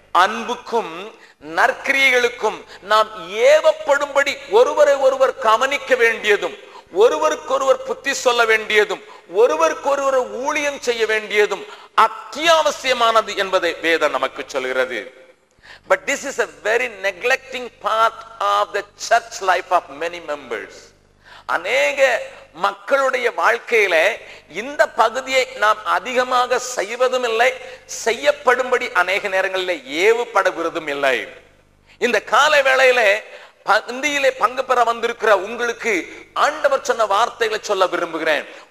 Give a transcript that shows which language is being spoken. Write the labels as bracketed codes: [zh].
[ta] அன்புக்கும் நற்கிரியைகளுக்கும் நாம் ஏவப்படும்படி ஒருவரை ஒருவர் கவனிக்க வேண்டியதும், ஒருவருக்கொருவர் புத்தி சொல்ல வேண்டியதும், ஒருவருக்கொருவர் ஊழியம் செய்ய வேண்டியதும் அத்தியாவசியமானது என்பதை வேதம் நமக்கு சொல்கிறது. [en] But this is a very neglecting part of the church life of many members. [ta] அநேக மக்களுடைய வாழ்க்கையில இந்த பகுதியை நாம் அதிகமாக செய்வதும் இல்லை, செய்யப்படும்படி அநேக நேரங்களில் ஏவப்படுகிறதும் இல்லை. இந்த கால வேளையில பந்தியிலே பங்கு பெற வந்திருக்கிற உங்களுக்கு ஆண்டவர் சொன்ன வார்த்தைகளை சொல்ல விரும்புகிறேன்.